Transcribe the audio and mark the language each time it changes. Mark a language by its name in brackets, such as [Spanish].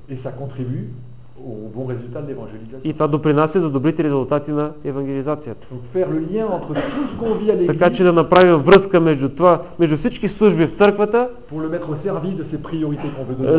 [French] Et ça contribue au bon résultat de l'évangélisation. [Bulgarian] И това допринася за добрите резултати на евангелизацията. [French] Donc faire le lien entre tout ce qu'on vit à l'église. [Bulgarian] Така че да направим връзка между това, между всички служби в църквата, [French] pour le mettre au service de ses priorités qu'on veut donner.